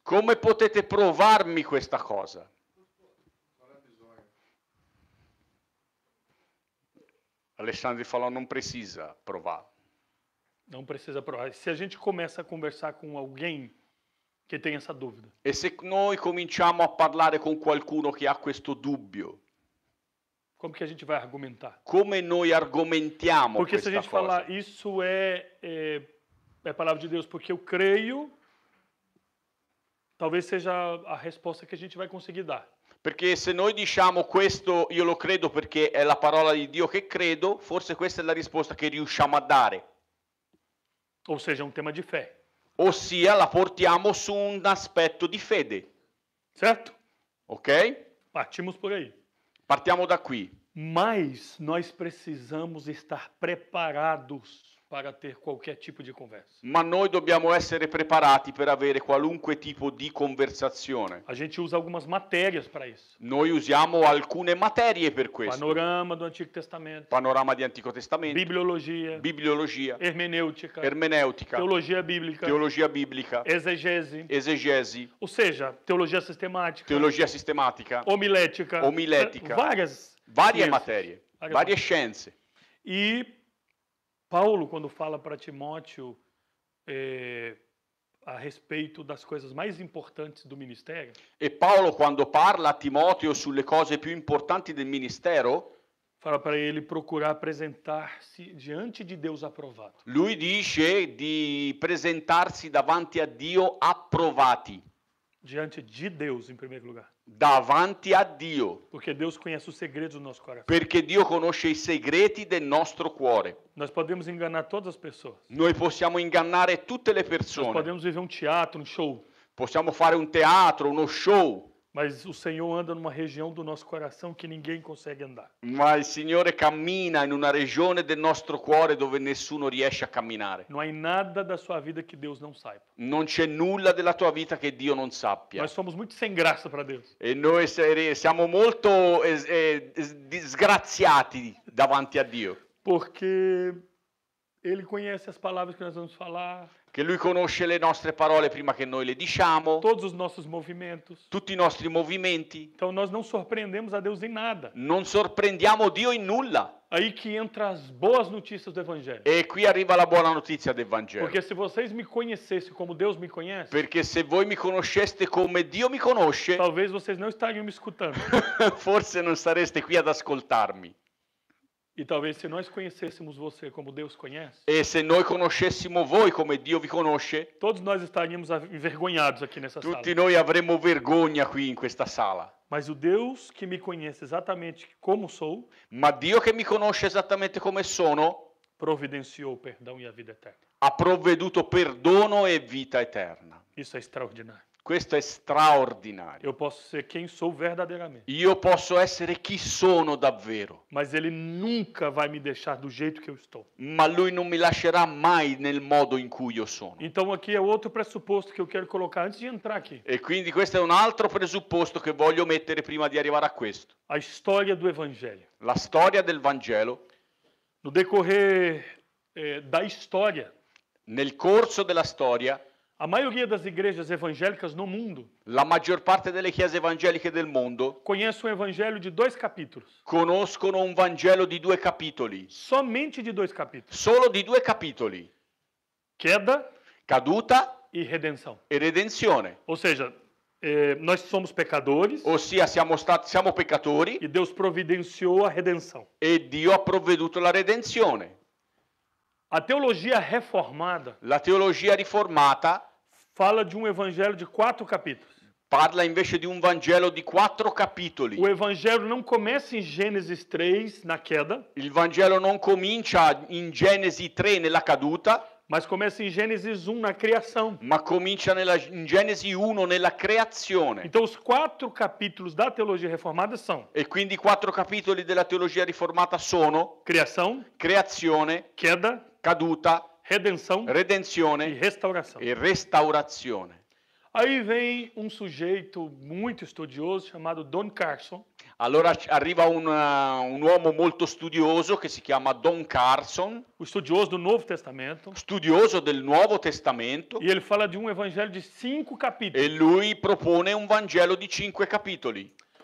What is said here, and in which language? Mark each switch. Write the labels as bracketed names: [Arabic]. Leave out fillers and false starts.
[Italian] Come potete provarmi questa cosa? [Portuguese] Alessandro falou, não precisa provar. Não precisa provar. Se a gente começa a conversar com alguém [Italian] che [Portuguese] tem essa dúvida. [Italian] E se noi cominciamo a parlare con qualcuno che ha questo dubbio? Come che [Portuguese] a gente vai argomentar? [Italian] Come noi argomentiamo perché questa cosa? Perché se [Portuguese] a gente [Italian] cosa? [Portuguese] Falar isso é palavra de Deus, porque eu creio, talvez seja a resposta que a gente vai conseguir dar. [Italian] Perché se noi diciamo questo io lo credo perché è la parola di Dio che credo, forse questa è la risposta che riusciamo a dare. [Portuguese] Ou seja, um tema de fé. [Italian] Ossia, la portiamo su un aspetto di fede. [Portuguese] Certo? [Italian] Ok? [Portuguese] Partimos por aí. [Italian] Partiamo da qui. [Portuguese] Mas nós precisamos estar preparados para ter qualquer tipo de conversa. [Italian] Ma noi dobbiamo essere preparati per avere qualunque tipo di conversazione. [Portuguese] A gente usa algumas matérias para isso. [Italian] Noi usiamo alcune materie per questo. [Portuguese] Panorama do Antigo Testamento. [Italian] Panorama di Antico Testamento. [Portuguese] Bibliologia. [Italian] Bibliologia. [Portuguese] Ermeneutica. [Italian] Ermeneutica. [Portuguese] Teologia bíblica. [Italian] Teologia bíblica. [Portuguese] Exegese. [Italian] Exegese. [Portuguese] Ou seja, teologia sistemática. [Italian] Teologia sistemática. [Portuguese] Homilética. [Italian] Homilética. [Portuguese] Várias matérias. Várias [Italian] scienze. [Portuguese] E Paulo, quando fala para Timóteo a respeito das coisas mais importantes do ministério. [Italian] E Paulo, [Portuguese] quando fala [Italian] a Timóteo sulle cose più importanti del ministero. [Portuguese] Fala para ele procurar apresentar-se diante de Deus aprovado. [Italian] Lui dice di presentarsi davanti a Dio approvati. [Portuguese] Diante de Deus, em primeiro lugar. [Italian] Davanti a Dio. [Portuguese] Porque Deus conhece os segredos do nosso coração. [Italian] Perché Dio conosce i segreti del nostro cuore. [Portuguese] Nós podemos enganar todas as pessoas. [Italian] Noi possiamo ingannare tutte le persone. [Portuguese] Nós podemos viver um teatro, um show. [Italian] Possiamo fare un teatro, uno show. [Portuguese] Mas o Senhor anda numa região do nosso coração que ninguém consegue andar. [Italian] Ma il Signore cammina in una regione del nostro cuore dove nessuno riesce a camminare. Non c'è [Portuguese] nada da sua vida que Deus não saiba. [Italian] Non c'è nulla della tua vita che Dio non sappia. [Portuguese] Nós somos muito sem graça para Deus. [Italian] E noi siamo molto disgraziati davanti a Dio. [Portuguese] Porque ele conhece as palavras que nós vamos falar. [Italian] Che lui conosce le nostre parole prima che noi le diciamo. [Portuguese] Todos os nossos movimentos. [Italian] Tutti i nostri movimenti. [Portuguese] Então nós não surpreendemos a Deus em nada. [Italian] Non sorprendiamo Dio in nulla. [Portuguese] Aí que entra as boas notícias do evangelho. [Italian] E qui arriva la buona notizia del Vangelo. [Portuguese] Porque se vocês me conhecessem como Deus me conhece. [Italian] Perché se voi mi conosceste come Dio mi conosce. [Portuguese] Talvez vocês não estariam me escutando. [Italian] Forse non sareste qui ad ascoltarmi. [Portuguese] E talvez se nós conhecêssemos você como Deus conhece. [Italian] E se noi conoscessimo voi come Dio vi conosce. [Portuguese] Todos nós estaríamos envergonhados aqui nessa [Italian] tutti [Portuguese] sala. [Italian] Tutti noi avremmo vergogna qui in questa sala. [Portuguese] Mas o Deus que me conhece exatamente como sou. [Italian] Ma Dio che mi conosce esattamente come sono. [Portuguese] Providenciou o perdão e a vida eterna. [Italian] Ha provveduto perdono e vita eterna. [Portuguese] Isso é extraordinário. [Italian] Questo è straordinario. [Portuguese] Eu posso ser quem sou verdadeiramente. [Italian] Io posso essere chi sono davvero. [Portuguese] Mas ele nunca vai me deixar do jeito que eu estou. [Italian] Ma lui non mi lascerà mai nel modo in cui io sono. [Portuguese] Então aqui é outro pressuposto que eu quero colocar antes de entrar aqui. [Italian] E quindi questo è un altro presupposto che voglio mettere prima di arrivare a questo. [Portuguese] A história do evangelho. [Italian] La storia del Vangelo. [Portuguese] No decorrer da história. [Italian] Nel corso della storia. [Portuguese] A maioria das igrejas evangélicas no mundo. [Italian] La maggior parte delle chiese evangeliche del mondo. [Portuguese] Conhece um evangelho de dois capítulos. [Italian] Conoscono un vangelo di due capitoli. [Portuguese] Somente de dois capítulos. [Italian] Solo di due capitoli. [Portuguese] Queda. [Italian] Caduta. [Portuguese] E redenção. [Italian] E redenzione. [Portuguese] Ou seja, nós somos pecadores. [Italian] Ossia siamo peccatori. [Portuguese] E Deus providenciou a redenção. [Italian] E Dio ha provveduto la redenzione. [Portuguese] A teologia reformada. [Italian] La teologia riformata [Portuguese] fala de um evangelho de quatro capítulos. [Italian] Parla invece di un vangelo di quattro capitoli. [Portuguese] O evangelho não começa em Gênesis 3 na queda. [Italian] Il vangelo non comincia in Genesi 3 nella caduta. [Portuguese] Mas começa em Gênesis 1 na criação. [Italian] Ma comincia in Genesi 1 nella creazione. [Portuguese] Então os quatro capítulos da teologia reformada são. [Italian] E quindi i quattro capitoli della teologia riformata sono. [Portuguese] Criação. [Italian] Creazione. [Portuguese] Queda. [Italian] Caduta. [Portuguese] Redenção. [Italian] Redenzione. [Portuguese] E restauração. [Italian] E restaurazione. [Portuguese] Aí vem um sujeito muito estudioso chamado Don Carson. [Italian] Allora arriva un uomo molto studioso che si chiama Don Carson. Studioso del Nuovo Testamento. Studioso del Nuovo Testamento. [Portuguese] E ele fala [Italian] di un evangelio di 5 capitoli. E lui propone un vangelo di 5 capitoli.